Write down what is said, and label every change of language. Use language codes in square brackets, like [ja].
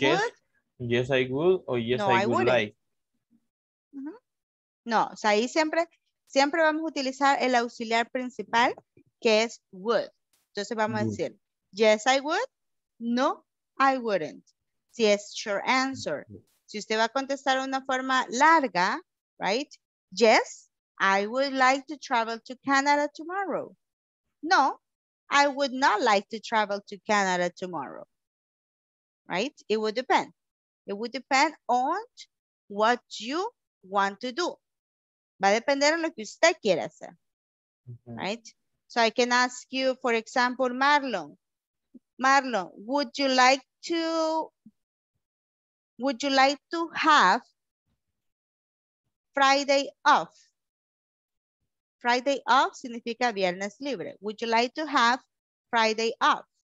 [en] Yes, yes I would o yes no, I would wouldn't. Like. [es] No, o sea, ahí siempre vamos a utilizar el auxiliar principal. Que es would. Entonces vamos a decir, [en] yes, I would. No, I wouldn't. [es] Si es [en] your answer. [es] Si usted va a contestar de una forma larga, right? [en] Yes, I would like to travel to Canada tomorrow. No, I would not like to travel to Canada tomorrow. Right? It would depend. It would depend on what you want to do. [es] Va a depender en lo que usted quiera hacer. [en] Mm-hmm. Right? So I can ask you, for example, Marlon, would you like to have Friday off? Friday off [es] significa viernes libre. [en] Would you like to have Friday off?